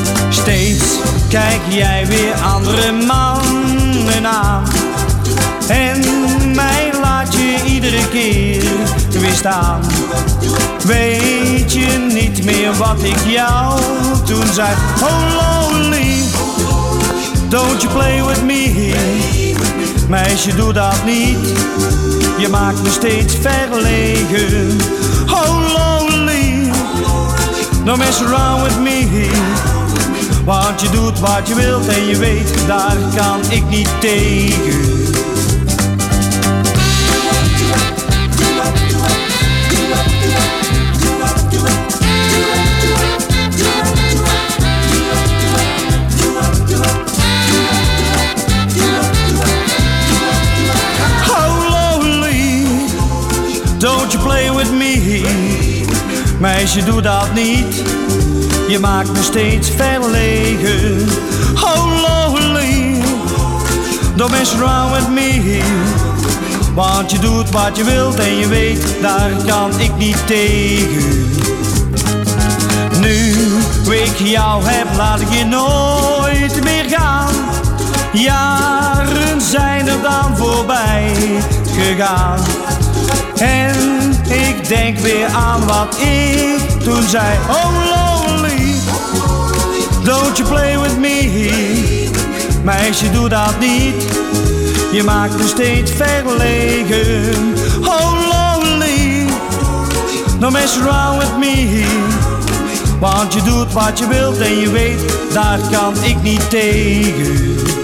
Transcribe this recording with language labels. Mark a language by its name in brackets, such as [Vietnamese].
[Dutch] Steeds kijk jij weer andere mannen aan en mij laat je iedere keer weer staan. Weet je niet meer wat ik jou toen zei? [English] Oh lonely, don't you play with me. [Dutch] Meisje doe dat niet, je maakt me steeds verlegen. [English] Oh lonely, don't mess around with me. [Dutch] Want je doet wat je wilt en je weet, daar kan ik niet tegen. [English] Oh lonely, don't you play with me. [Dutch] Meisje doe dat niet, je maakt me steeds verlegen. [English] Oh lonely, don't mess around with me. [Dutch] Want je doet wat je wilt en je weet, daar kan ik niet tegen. Nu ik jou heb, laat ik je nooit meer gaan. Jaren zijn er dan voorbij gegaan. En ik denk weer aan wat ik toen zei. [English] Oh lonely, don't you play with me. [Dutch] Meisje doe dat niet, je maakt me steeds verlegen. [English] Oh lonely, don't mess around with me. [Dutch] Want je doet wat je wilt en je weet, daar kan ik niet tegen.